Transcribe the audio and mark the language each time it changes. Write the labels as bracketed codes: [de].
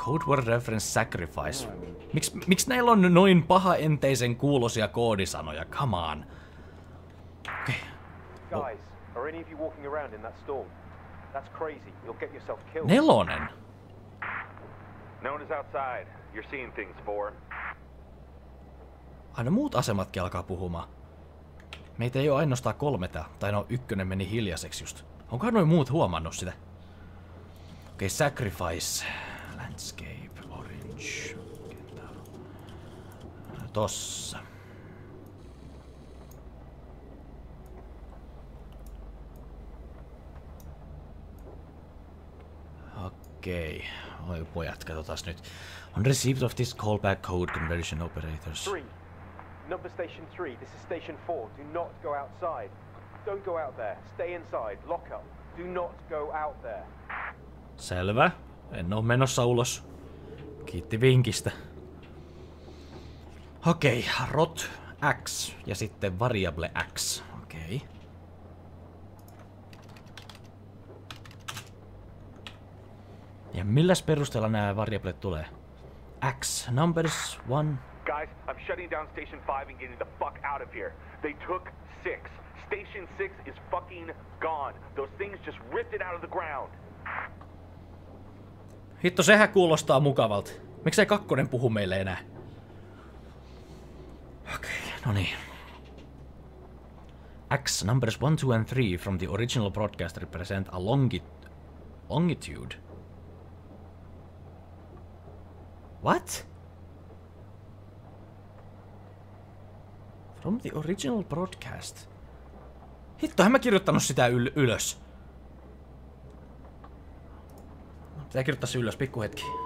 [en] Word reference sacrifice. [fi] Miksi näillä on noin paha enteisen kuulosia koodisanoja? [en] Come on. Okay. Guys, are any of you walking around in that storm? That's crazy. You'll get yourself killed. [fi] Nelonen. [en] No one is outside. You're seeing things, four. [fi] Aina muut asematkin alkaa puhumaan. Meitä ei ole ainoastaan kolme tää. Tai no, ykkönen meni hiljaiseksi just. Onkohan noin muut huomannut sitä? [en] Okay, sacrifice. Landscape, orange, kentaro. Tossa. [fi] Okei, oi pojat, katsotaas nyt. [en] On received of this callback code conversion operators. 3. Number station 3, this is station 4. Do not go outside. Don't go out there. Stay inside. Lock up. Do not go out there. [fi] Selvä. En oo menossa ulos. Kiitti vinkistä. Okei, okay, rot x ja sitten variable x. Okei. Okay. Ja milläs perusteella nämä variablet tulee? [en] X, numbers, one. Guys, I'm shutting down station 5 and getting the fuck out of here. They took 6. Station 6 is fucking gone. Those things just ripped it out of the ground. [fi] Hitto, sehän kuulostaa mukavalta. Miksei kakkonen puhu meille enää? Okei, okay, no niin. [en] X numbers 1, 2 and 3 from the original broadcast represent a longitude. What? From the original broadcast. [fi] Hitto, en mä kirjoittanut sitä ylös. Pitää kirjoittaa se ylös, pikkuhetki.